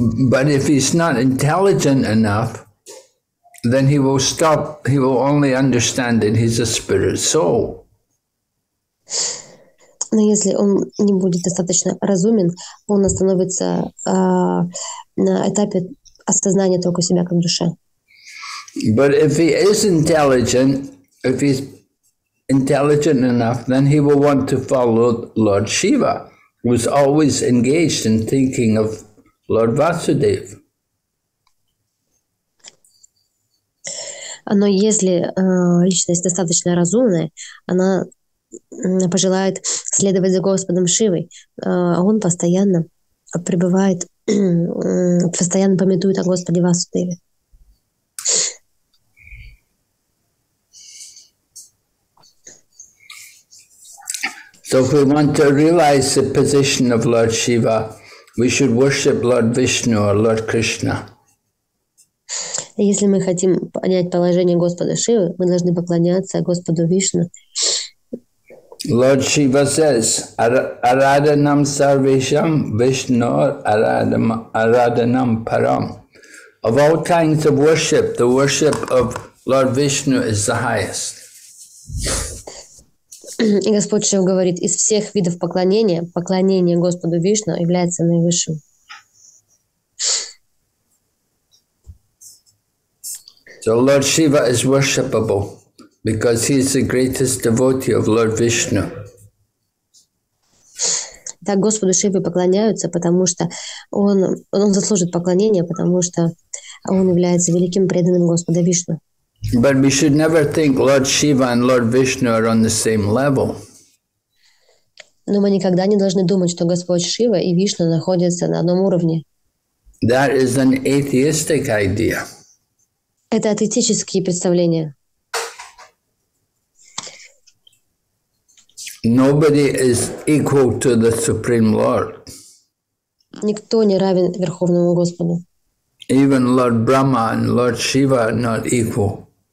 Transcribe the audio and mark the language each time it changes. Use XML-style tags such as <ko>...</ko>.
<en>But if he's not intelligent enough, then he will stop. He will only understand that he's a spirit soul.</en> <ru>Но если он не будет достаточно разумен, он остановится на этапе осознания только себя как душа.</ru> <en>But if he is intelligent, if he's intelligent enough, then he will want to follow Lord Shiva, who is always engaged in thinking of Lord Vasudev.</en> <ru>Но если личность достаточно разумная, она пожелает следовать за Господом Шивой, а он постоянно пребывает, постоянно памятует о Господе Васудеве.</ru> <en>So if we want to realize the position of Lord Shiva, we should worship Lord Vishnu or Lord Krishna.</en> <ru>Если мы хотим понять положение Господа Шивы, мы должны поклоняться Господу Вишну.</ru> <en>Lord Shiva says,</en> <sa>Aradhanam Sarvesham Vishnor Aradhanam Param.</sa> <en>Of all kinds of worship, the worship of Lord Vishnu is the highest.</en> <ru>И Господь Шива говорит, из всех видов поклонения, поклонение Господу Вишну является наивысшим.</ru> <en>So Lord Shiva is worshipable, because he is the greatest devotee of Lord Vishnu.</en> <ru>Так Господу Шиве поклоняются, потому что он заслужит поклонения, потому что он является великим преданным Господа Вишну.</ru> <en>But we should never think Lord Shiva and Lord Vishnu are on the same level.</en> <ru>Но мы никогда не должны думать, что Господь Шива и Вишна находятся на одном уровне.</ru> <en>That is an atheistic idea.</en> <ru>Это атеистические представления.</ru> <en>Nobody is equal to the Supreme Lord.</en> <ru>Никто не равен Верховному Господу.</ru> <en>Even Lord Brahma and Lord Shiva are not equal.</en>